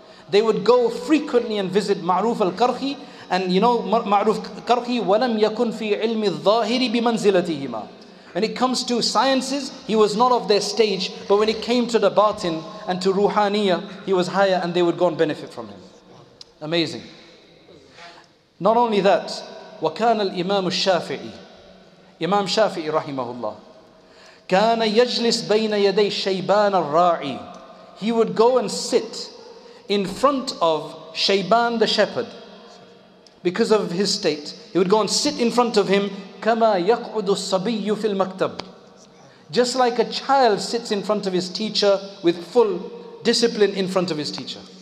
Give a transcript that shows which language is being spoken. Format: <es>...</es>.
<en>They would go frequently and visit Ma'ruf al-Qarhi, and you know, Ma'ruf al-Qarhi,</en> <ar>walam yakun fi ilmi al-zahiri bimanzilatihima.</ar> <en>When it comes to sciences, he was not of their stage, but when it came to the batin and to ruhaniyah, he was higher, and they would go and benefit from him. Amazing. Not only that,</en> <ar>وَكَانَ الْإِمَامُ الشَّافِعِي Imam Shafi'i rahimahullah كَانَ يَجْلِسْ بَيْنَ يَدَيْ شَيْبَانَ الرَّاعِي.</ar> <en>He would go and sit in front of Shayban the shepherd. Because of his state, he would go and sit in front of him,</en> <ar>kama yaq'udu as-sabiyyu fil maktab,</ar> <en>just like a child sits in front of his teacher with full discipline in front of his teacher.</en>